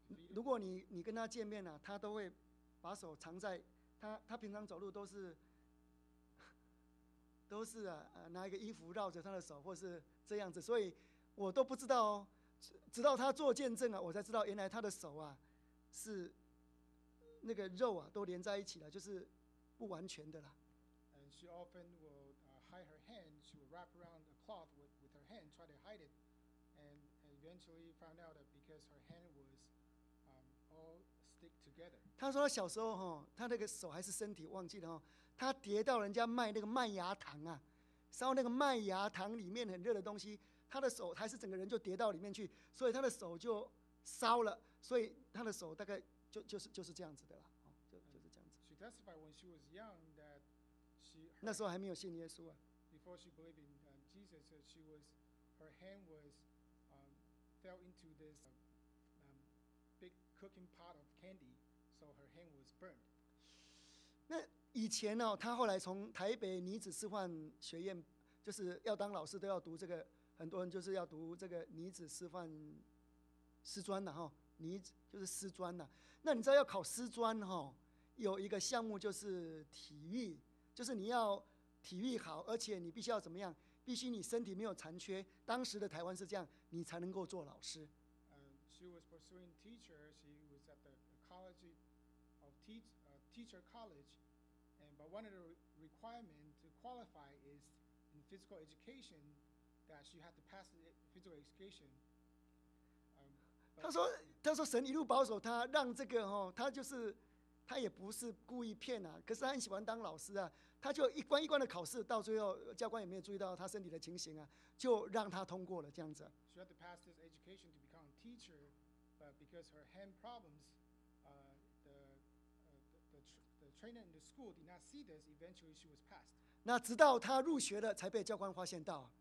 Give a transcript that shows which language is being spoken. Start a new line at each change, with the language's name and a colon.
Chinese: 如果你跟他见面他都会把手藏在他平常走路都是拿一个衣服绕着他的手或是这样子，所以我都不知道哦，直到他做见证我才知道原来他的手是。那个肉都连在一起了，就是不完全的啦。
English: And she often will hide her hand. She will wrap around a cloth with her hand, try to hide it, and eventually found out that because her hand was all stick together.
Chinese: 她说她小时候她那个手还是身体忘记了她跌到人家卖那个麦芽糖烧那个麦芽糖里面很热的东西，她的手还是整个人就跌到里面去，所以她的手就烧了，所以她的手大概。就是这样子的啦，就是这样子。
English: She testified when she was young that she
Chinese: 那时候还没有信耶稣。
English: Before she believed in Jesus, she was her hand was fell into this big cooking pot of candy, so her hand was burned.
Chinese: 那以前她后来从台北女子师范学院，就是要当老师都要读这个，很多人就是要读这个女子师范师专的你就是师专那你知道要考师专有一个项目就是体育，就是你要体育好，而且你必须要怎么样，必须你身体没有残缺，当时的台湾是这样，你才能够做老师。
English: She was pursuing teacher. She was at the college of teacher college, and but one of the requirements to qualify is in physical education that she had to pass the physical education.
Chinese: 他说神一路保守他，让这个哦，他就是他也不是故意骗啊，可是他很喜欢当老师啊，他就一关一关的考试，到最后教官也没有注意到他身体的情形啊，就让他通过了这样子。
English: She had to pass this education to become a teacher, but because her hand problems, the trainer in the school did not see this. Eventually, she was passed.
Chinese: 那直到他入学了，才被教官发现到。